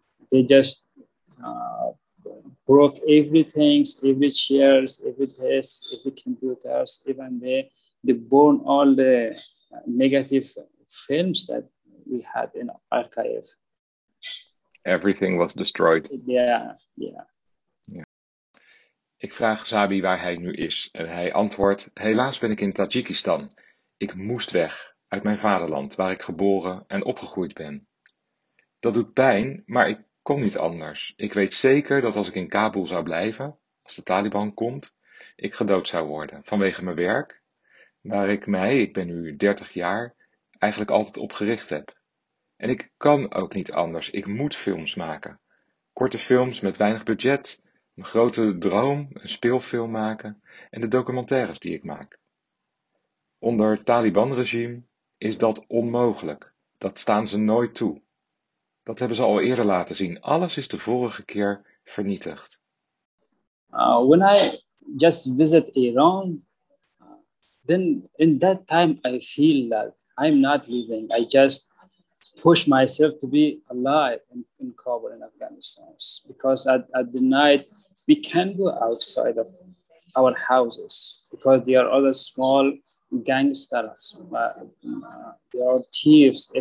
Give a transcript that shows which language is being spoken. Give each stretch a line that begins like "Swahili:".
English: They just broke everything, every chairs, every desk, every computers, even they burn all the negative films that we had in archive. Everything was destroyed. Yeah.
Dutch: Ik vraag Zabi waar hij nu is en hij antwoordt: helaas ben ik in Tajikistan. Ik moest weg uit mijn vaderland waar ik geboren en opgegroeid ben. Dat doet pijn, maar ik kon niet anders. Ik weet zeker dat als ik in Kabul zou blijven, als de Taliban komt, ik gedood zou worden vanwege mijn werk, waar ik ben nu 30 jaar, eigenlijk altijd op gericht heb. En ik kan ook niet anders. Ik moet films maken. Korte films met weinig budget. Een grote droom, een speelfilm maken en de documentaires die ik maak. Onder het Taliban-regime is dat onmogelijk. Dat staan ze nooit toe. Dat hebben ze al eerder laten zien. Alles is de vorige keer vernietigd.
English: When I just visit Iran, then in that time I feel that I'm not leaving. I just push myself to be alive in Kabul in Afghanistan, because at the night we can go outside of our houses, because there are other small gangsters, there are thieves.